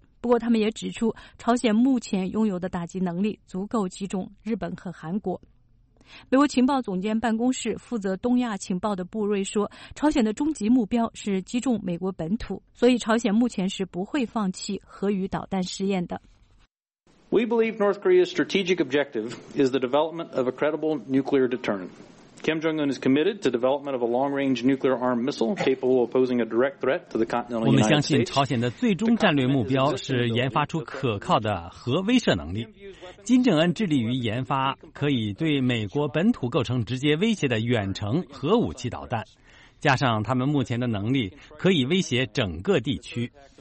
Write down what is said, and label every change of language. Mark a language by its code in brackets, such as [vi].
[zh] 不过他们也指出，朝鲜目前拥有的打击能力足够击中日本和韩国。美国情报总监办公室负责东亚情报的布瑞说，朝鲜的终极目标是击中美国本土，所以朝鲜目前是不会放弃核与导弹试验的。 [en] We believe North Korea's strategic objective is the development of a credible nuclear deterrent. Kim Jong-un is committed to development of a long-range nuclear armed missile capable of posing a direct threat to the continental United States. [zh] 我们相信朝鲜的最终战略目标是研发出可靠的核威慑能力。金正恩致力于研发可以对美国本土构成直接威胁的远程核武器导弹，加上他们目前的能力，可以威胁整个地区。